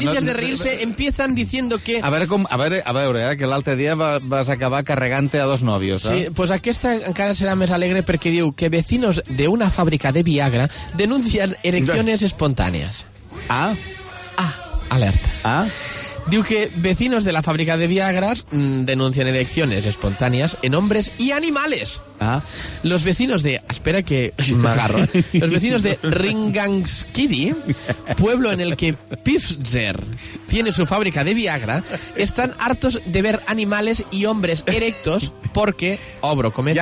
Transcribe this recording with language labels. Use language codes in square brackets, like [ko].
[es] noticias de reírse empiezan diciendo que... [ca] A veure, que l'altre dia vas acabar carregant-te a dos novios, Sí, pues aquesta encara serà més alegre perquè diu que [es] vecinos de una fábrica de Viagra denuncian erecciones espontáneas. Ah, [ca] alerta. Ah, diu que [es] vecinos de la fábrica de Viagras denuncian erecciones espontáneas en hombres y animales. Ah. Los vecinos de... Espera que me agarro. Los vecinos de Ringanskiddy, pueblo en el que Pfizer tiene su fábrica de Viagra, están hartos de ver animales y hombres erectos porque, [ca] obro cometes...